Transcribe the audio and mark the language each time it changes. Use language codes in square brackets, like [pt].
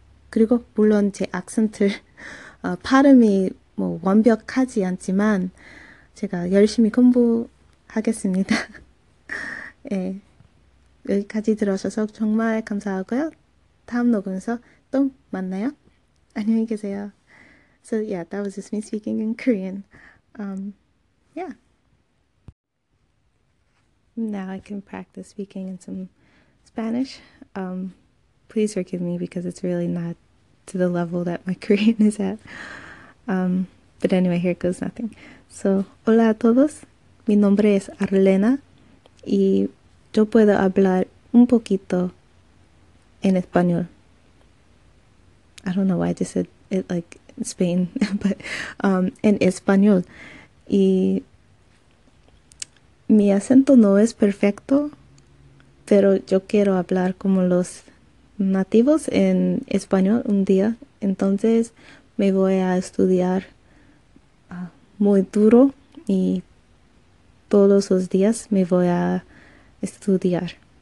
[ko] 그리고 물론 제 악센트 발음이 뭐 완벽하지 않지만 제가 열심히 공부하겠습니다. 예. 여기까지 들어주셔서 정말 감사하고요. 다음 녹음에서 또 만나요. 안녕히 계세요. [en] So yeah, that was just me speaking in Korean. Yeah. Now I can practice speaking in some Spanish. Please forgive me because it's really not to the level that my Korean is at. But anyway, here goes nothing. So, [es] hola a todos. Mi nombre es Arlena y yo puedo hablar un poquito en español. [en] I don't know why I just said it like in Spain, but [es] en español. Y mi acento no es perfecto, pero yo quiero hablar como los nativos en español un día. Entonces me voy a estudiar muy duro y todos los días me voy a estudiar.